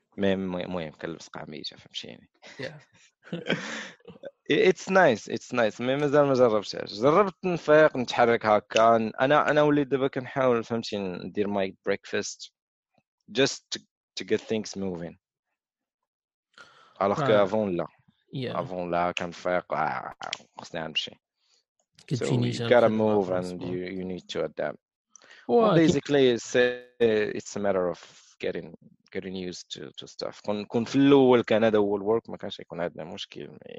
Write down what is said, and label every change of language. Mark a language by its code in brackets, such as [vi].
[ar] المهم كلبس قميجة فهمتيني [en] it's nice [ar] مي مازال ما جربتهاش جربت نفيق نتحرك هكا انا وليت دابا كنحاول فهمتي ندير [en] my breakfast just to get things moving [fr] alors que avant là avant là [ar] كنفيق خصني نمشي كتفينيش [en] you gotta move and you need to adapt Well, basically, it's a matter of getting used to stuff. [ar] كن في الأول كان هذا أول work ما كانش يكون عندنا مشكلة.